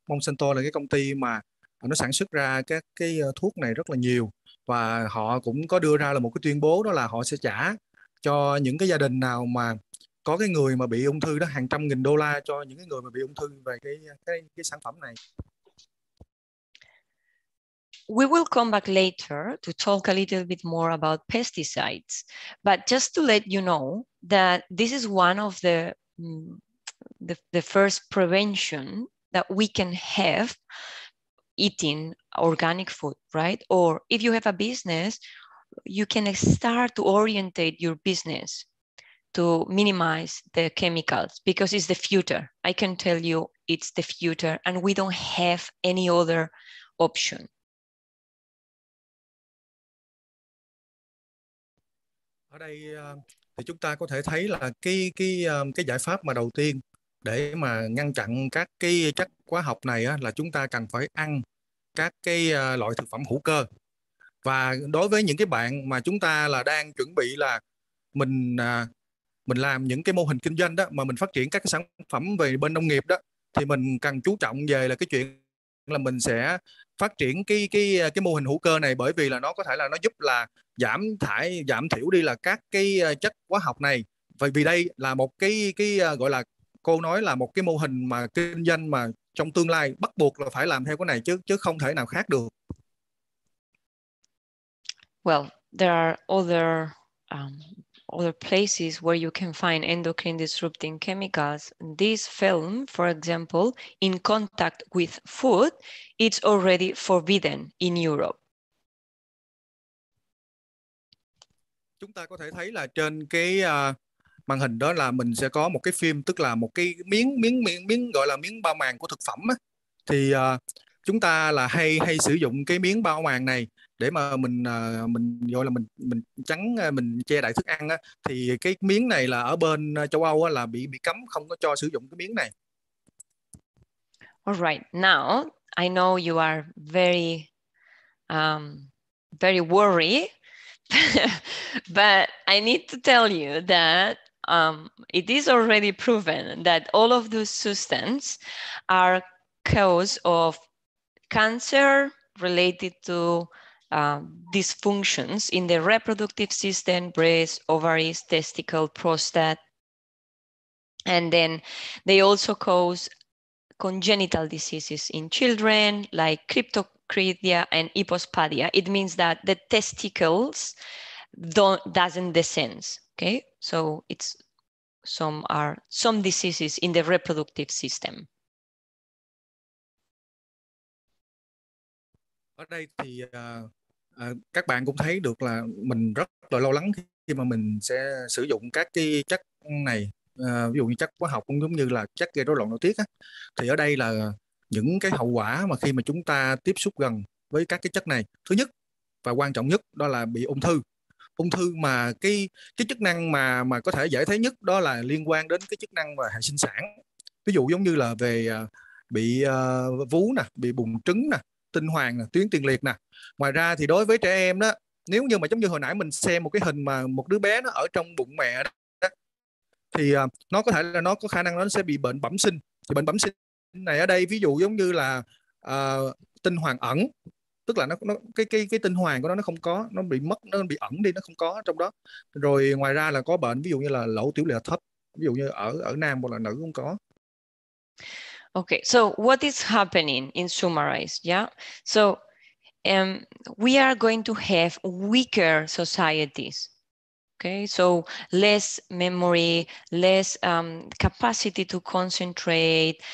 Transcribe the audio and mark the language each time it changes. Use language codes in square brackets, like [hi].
[vi] Monsanto là cái công ty mà nó sản xuất ra các cái thuốc này rất là nhiều, và họ cũng có đưa ra là một cái tuyên bố đó là họ sẽ trả cho những cái gia đình nào mà có cái người mà bị ung thư đó hàng trăm nghìn đô la cho những cái người mà bị ung thư về cái sản phẩm này. [en] We will come back later to talk a little bit more about pesticides, but just to let you know that this is one of the first prevention that we can have eating organic food, right? Or if you have a business, you can start to orientate your business to minimize the chemicals, because it's the future. I can tell you it's the future, and we don't have any other option. [vi] Ở đây thì chúng ta có thể thấy là cái giải pháp mà đầu tiên để mà ngăn chặn các cái chất hóa học này là chúng ta cần phải ăn các cái loại thực phẩm hữu cơ. Và đối với những cái bạn mà chúng ta là đang chuẩn bị là mình làm những cái mô hình kinh doanh đó, mà mình phát triển các cái sản phẩm về bên nông nghiệp đó, thì mình cần chú trọng về là cái chuyện là mình sẽ phát triển cái mô hình hữu cơ này, bởi vì là nó có thể là nó giúp là giảm thiểu đi là các cái chất hóa học này. Vì đây là một cái gọi là cô nói là một cái mô hình mà kinh doanh mà trong tương lai bắt buộc là phải làm theo cái này chứ không thể nào khác được. [en] Well, there are other places where you can find endocrine disrupting chemicals. This film, for example, in contact with food, it's already forbidden in Europe. [vi] Chúng ta có thể thấy là trên cái màn hình đó là mình sẽ có một cái phim, tức là một cái miếng gọi là miếng bao màng của thực phẩm á. Thì chúng ta là hay sử dụng cái miếng bao màng này để mà mình gọi là mình che đậy thức ăn á. Thì cái miếng này là ở bên châu Âu là bị cấm, không có cho sử dụng cái miếng này. [en] All right, now I know you are very very worried, but I need to tell you that it is already proven that all of those substances are cause of cancer related to dysfunctions in the reproductive system, breast, ovaries, testicle, prostate. And then they also cause congenital diseases in children like cryptocrydia and hypospadia. It means that the testicles doesn't descend. Okay, so it's some diseases in the reproductive system. [vi] Ở đây thì các bạn cũng thấy được là mình rất là lo lắng khi mà mình sẽ sử dụng các cái chất này, ví dụ như chất hóa học cũng giống như là chất gây rối loạn nội tiết á. Thì ở đây là những cái hậu quả mà khi mà chúng ta tiếp xúc gần với các cái chất này. Thứ nhất và quan trọng nhất đó là bị ung thư. Ung thư mà cái chức năng mà có thể dễ thấy nhất đó là liên quan đến cái chức năng và hệ sinh sản. Ví dụ giống như là về bị vú nè, bị buồng trứng nè, tinh hoàn nè, tuyến tiền liệt nè. Ngoài ra thì đối với trẻ em đó, nếu như mà giống như hồi nãy mình xem một cái hình mà một đứa bé nó ở trong bụng mẹ đó, thì nó có thể là nó có khả năng nó sẽ bị bệnh bẩm sinh. Thì bệnh bẩm sinh này ở đây ví dụ giống như là tinh hoàn ẩn, tức là nó cái tinh hoàn của nó không có, nó bị mất, nó bị ẩn đi, nó không có trong đó. Rồi ngoài ra là có bệnh ví dụ như là lỗ tiểu lệ thấp, ví dụ như ở nam hoặc là nữ cũng có. [en] Okay, so what is happening in summarized, yeah? So we are going to have weaker societies. Okay, so less memory, less capacity to concentrate.